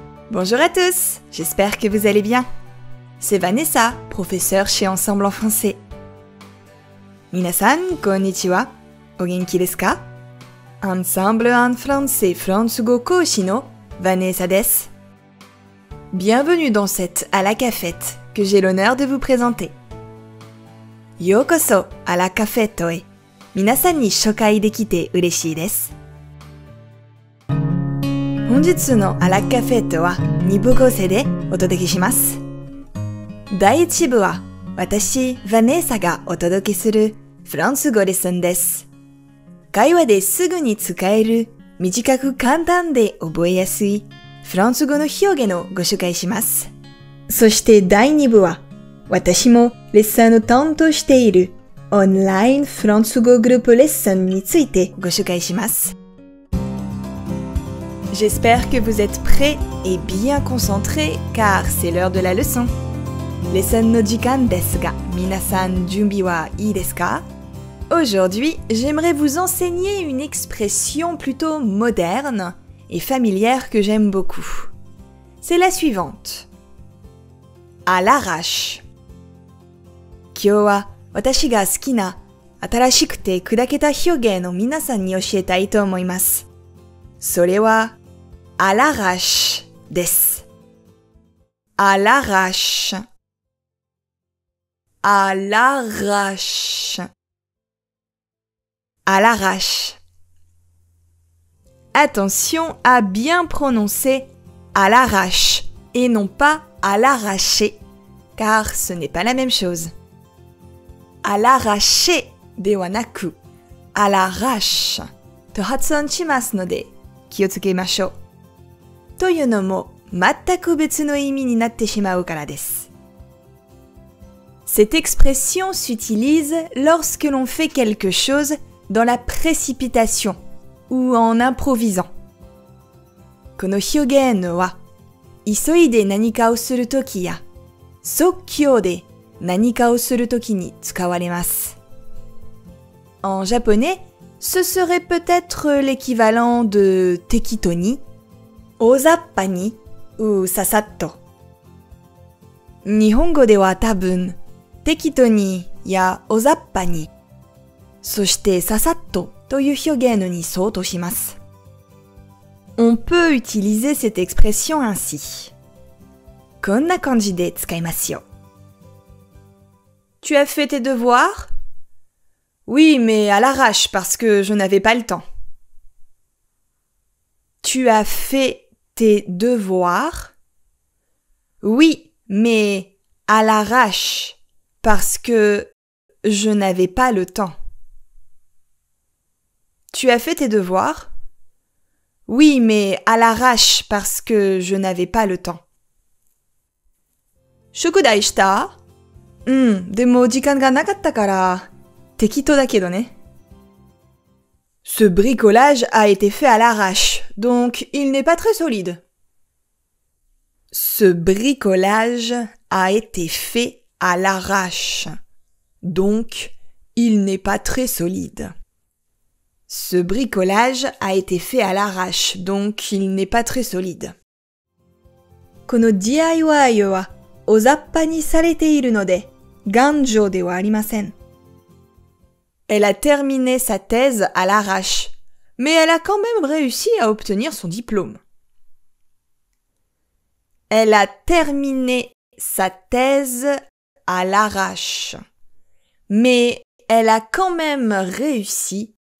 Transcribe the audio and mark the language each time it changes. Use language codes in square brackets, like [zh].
[fr] Bonjour à tous, j'espère que vous allez bien. C'est Vanessa, professeur chez Ensemble en français. [ja] 皆さん、こんにちは。お元気ですか？アンサンブルアンフランセフランス語講師のヴァネサです。 [fr] Bienvenue dans cette à la cafette que j'ai l'honneur de vous présenter. [ja] ようこそあらカフェットへ。皆さんに紹介できて嬉しいです。本日のあらカフェットは二部構成でお届けします。第一部は私、ヴァネサがお届けするフランス語レッスンです。会話ですぐに使える短く簡単で覚えやすいフランス語の表現をご紹介します。そして第2部は私もレッスンを担当しているオンラインフランス語グループレッスンについてご紹介します。 [fr] J'espère que vous êtes prêts et bien concentrés car c'est l'heure de la leçon. [ja] レッスンの時間ですが、皆さん準備はいいですか？ [fr] Aujourd'hui, j'aimerais vous enseigner une expression plutôt moderne et familière que j'aime beaucoup. C'est la suivante. À l'arrache. [ja] 今日は私が好きな新しくて砕けた表現を皆さんに教えたいと思います。それは、à l'arrache です。 [fr] À l'arrache. À l'arrache. À l'arrache. Attention à bien prononcer à l'arrache et non pas à l'arracher, car ce n'est pas la même chose. [ja] À l'arracher ではなく à l'arrache と発音しますので気をつけましょう。というのも全く別の意味になってしまうからです。 [fr] Cette expression s'utilise lorsque l'on fait quelque chose. Dans la précipitation ou en improvisant. [ja] この表現は、急いで何かをするときや、即興で何かをするときに使われます。 [fr] En japonais, ce serait peut-être l'équivalent de [ja] 適当に、大雑把に、 [fr] ou [ja] ささっと。日本語では多分、適当にや大雑把に、そして、ささっとという表現に相当します。 [fr] On peut utiliser cette expression ainsi. [ja] こんな感じで使いますよ。 [fr] Tu as fait tes devoirs? Oui, mais à l'arrache parce que je n'avais pas le temps. Tu as fait tes devoirs? Oui, mais à l'arrache parce que je n'avais pas le temps. Tu as fait tes devoirs? Oui, mais à l'arrache parce que je n'avais pas le temps. [ja] 宿題した？うん、でも時間がなかったから、適当だけどね。 [fr] Ce bricolage a été fait à l'arrache, donc il n'est pas très solide. Ce bricolage a été fait à l'arrache, donc il n'est pas très solide. Ce bricolage a été fait à l'arrache, donc il n'est pas très solide. [ja] この DIY は大雑把にされているので、頑丈ではありません。 [fr] Elle a terminé sa thèse à l'arrache, mais elle a quand même réussi à obtenir son diplôme. Elle a terminé sa thèse à l'arrache, mais elle a quand même réussi.